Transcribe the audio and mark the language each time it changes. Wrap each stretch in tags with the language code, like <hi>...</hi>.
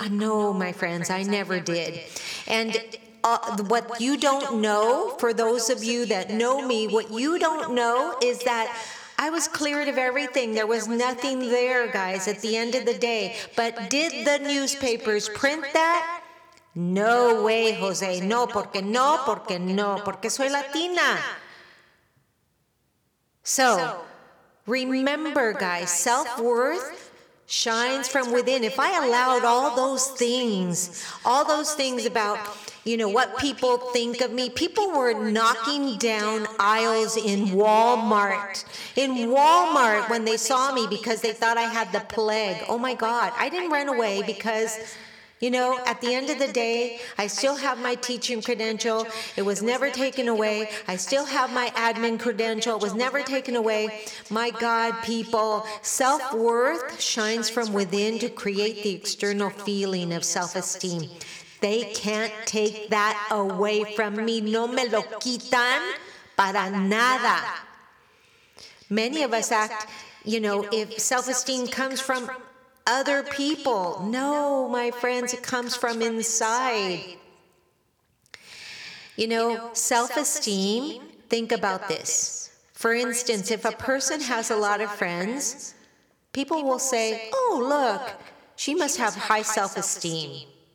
<en>No, my friends, I never did. And what you don't know, for those of you that know me, what you don't know is that I was cleared of everything. There was nothing there, guys, at the end of the day. But did the newspapers print that? No way, Jose.</en> <es>No, porque no, porque no, porque soy Latina.</es> <en>So, remember, guys, self-worth shines from within. If I allowed all those things, all those things about, you know, what people think of me, people were knocking down aisles in Walmart. In Walmart when they saw me because they thought I had the plague. Oh my God. I didn't run away because, you know, at the end of the day, I still have my teaching credential. It was never taken away. I still have my admin credential. It was never taken away. My God, people, self-worth shines from within to create the external feeling of self-esteem. They can't take that away from me.</en> <es>No me lo quitan para nada.</es> <en>Many of us act, you know, if self-esteem comes from other people. No, my friends, it comes from inside. You know, self-esteem, think about this. For instance, if a person has a lot of friends, people will say, oh, look, she must have high self-esteem.</en>